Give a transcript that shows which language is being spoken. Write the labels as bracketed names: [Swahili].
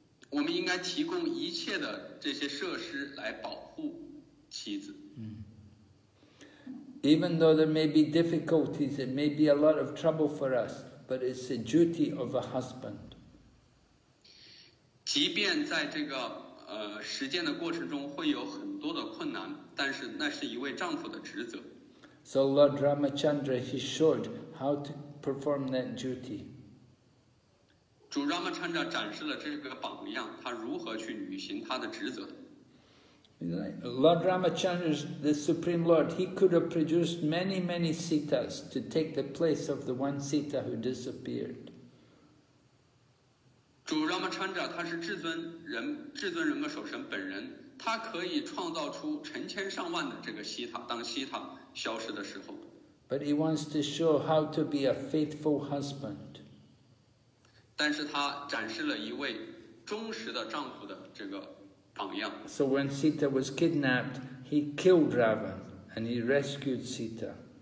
[Chinese] 我们应该提供一切的这些设施来保护妻子。 [English] Even though there may be difficulties, it may be a lot of trouble for us, but it's the duty of a husband. [Chinese] 即便在这个实践的过程中会有很多的困难，但是那是一位丈夫的职责。 [English] So Lord Ramachandra, he showed how to perform that duty. [Chinese] 主 Ramachandra 展示了这个榜样，他如何去履行他的职责。 [English] Lord Ramachandra, the Supreme Lord, he could have produced many, many Sitas to take the place of the one Sita who disappeared. [Chinese] 主 Ramachandra 他是至尊人格守神本人，他可以创造出成千上万的这个希塔，当希塔消失的时候。 [English] But he wants to show how to be a faithful husband. [Chinese] 但是他展示了一位忠实的丈夫的这个榜样。 [English] So when Sita was kidnapped, he killed Ravana and he rescued Sita.